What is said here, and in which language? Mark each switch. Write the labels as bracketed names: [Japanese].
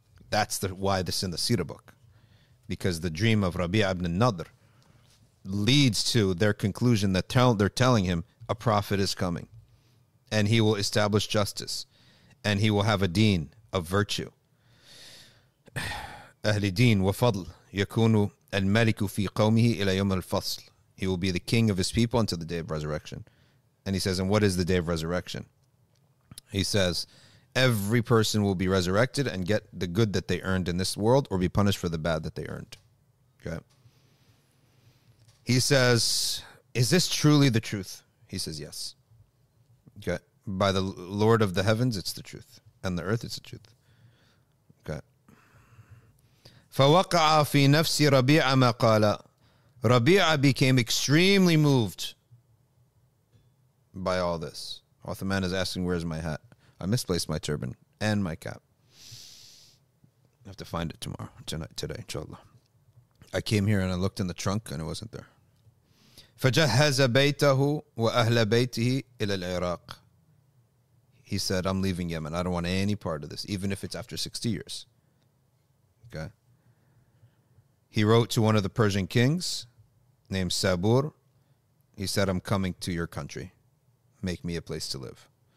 [English] That's why this is in the Seerah book. Because the dream of Rabi' ibn Nadr leads to their conclusion that they're telling him a prophet is coming and he will establish justice and he will have a deen of virtue. [Arabic] أهل دين وفضل يكون الملك في قومه إلى يوم الفصل. [English] He will be the king of his people until the day of resurrection. And he says, and what is the day of resurrection? He says, every person will be resurrected and get the good that they earned in this world or be punished for the bad that they earned. Okay. He says, is this truly the truth? He says, yes. Okay. By the Lord of the heavens, it's the truth. And the earth, it's the truth. Okay. [Arabic] فَوَقَعَ فِي نَفْسِ رَبِيعَ مَا قَالَ. [English] Rabi'a became extremely moved by all this. Othman is asking, where's my hat? I misplaced my turban and my cap. I have to find it today, inshallah. I came here and I looked in the trunk and it wasn't there. [Arabic] فجهز بيته وأهل بيته إلى العراق. [English] He said, I'm leaving Yemen. I don't want any part of this, even if it's after 60 years. Okay. He wrote to one of the Persian kings named Sabur. He said, I'm coming to your country. Make me a place to live.